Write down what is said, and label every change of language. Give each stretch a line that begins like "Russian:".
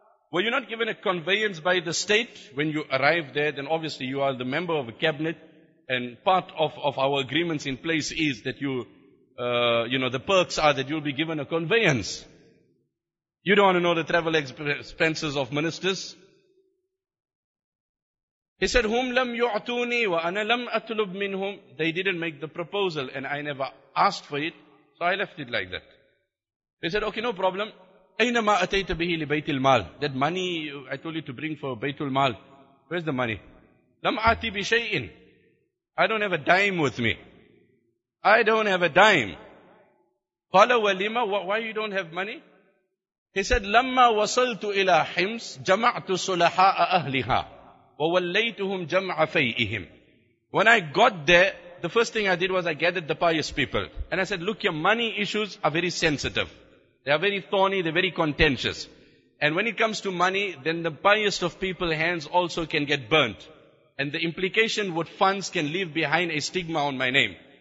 English: Were you not given a conveyance by the state? When you arrive there, then obviously you are the member of a cabinet. And part of our agreements in place is that you, the perks are that you'll be given a conveyance. You don't want to know the travel expenses of ministers. He said,
Arabic: هُمْ لَمْ يُعْتُونِي وَأَنَا لَمْ أَتْلُبْ مِنْهُمْ.
English: They didn't make the proposal and I never asked for it. So I left it like that. He said, okay, no problem.
Arabic: أَيْنَمَا أَتَيْتَ بِهِ لِبَيْتِ الْمَالِ.
English: That money I told you to bring for Baytul Mal. Where's the money?
Arabic: لَمْ أَتِي بِشَيْءٍ.
English: I don't have a dime with me. I don't have a dime.
Arabic: قَالَ وَلِمَا.
English: Why you don't have money? He said,
Arabic: لَمَّا وَصَلْتُ إِلَىٰ حِمْسِ جَمَعْتُ صُلَحَاءَ أَهْلِهَا وَوَلَّيْتُهُمْ جَمْعَ فَيْئِهِمْ.
English: When I got there, the first thing I did was I gathered the pious people. And I said, look, your money issues are very sensitive. They are very thorny, they're very contentious. And when it comes to money, then the pious of people's hands also can get burnt. And the implication what funds can leave behind a stigma on my name.